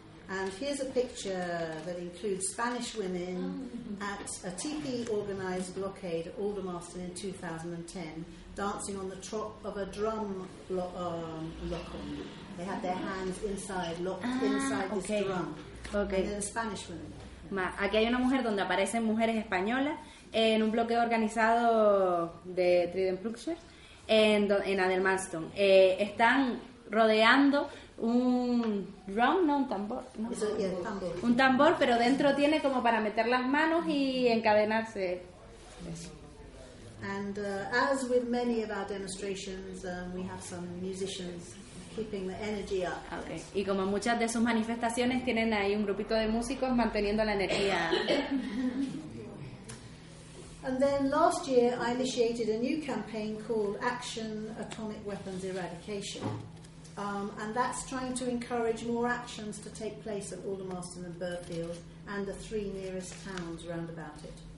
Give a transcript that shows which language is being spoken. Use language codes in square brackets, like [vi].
[en] And here's a picture that includes Spanish women at a TP-organized blockade at Aldermaston in 2010, dancing on the top of a drum lock-on. They had their hands inside, locked inside this drum. Okay. And they're the Spanish women. [es] Aquí hay una mujer donde aparecen mujeres españolas en un bloqueo organizado de Trident Pluxer en Adelmanston. Están rodeando un drum, no, un tambor. No, es el tambor. Un tambor, pero dentro tiene como para meter las manos y encadenarse. [en] And as with many of our demonstrations, we have some musicians keeping the energy up. Okay. [es] Y como muchas de sus manifestaciones, tienen ahí un grupito de músicos manteniendo la energía. [en] And then last year I initiated a new campaign called Action Atomic Weapons Eradication. And that's trying to encourage more actions to take place at Aldermaston and Burfield and the three nearest towns round about it.